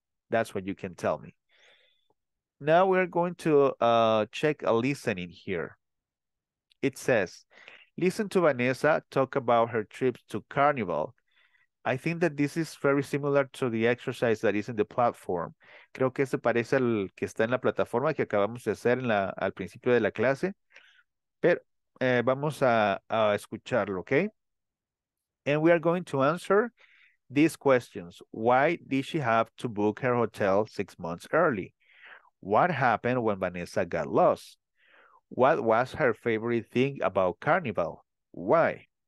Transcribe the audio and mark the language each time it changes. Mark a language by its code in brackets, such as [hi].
[en] That's what you can tell me. Now we're going to check a listening here. It says, listen to Vanessa talk about her trip to Carnival. I think that this is very similar to the exercise that is in the platform. [es] Creo que se parece al que está en la plataforma que acabamos de hacer al principio de la clase. Pero vamos a escucharlo, okay? [en] And we are going to answer these questions. Why did she have to book her hotel 6 months early? What happened when Vanessa got lost? What was her favorite thing about Carnival? Why?